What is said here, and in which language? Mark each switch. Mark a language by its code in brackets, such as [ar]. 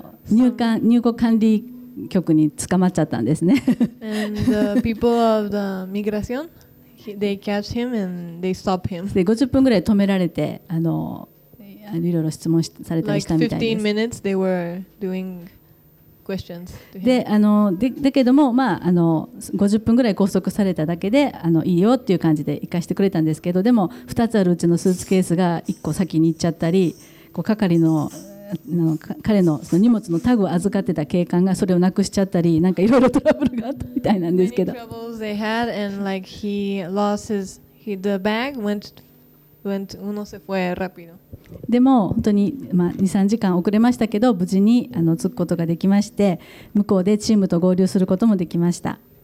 [ja] 入国管理局に捕まっちゃったんですね。 [en] And the people of the migration, they catch him and they stop him. [ja] で50分ぐらい止められて、いろいろ質問されたりしたみたいです。 [en] Like 15 minutes they were doing. Questions to him. [ja] だけども、50分ぐらい拘束されただけでいいよっていう感じで行かせてくれたんですけどでも2つあるうちのスーツケースが1個先に行っちゃったりこう係の彼 の, その荷物のタグを預かってた警官がそれをなくしちゃったりなんかいろいろトラブルがあったみたいなんですけど [en] Many troubles they had and like he lost his the bag went [es] uno se fue rápido [ja] でも本当に、2、3時間遅れましたけど無事に着くことができまして向こうでチームと合流することもできました。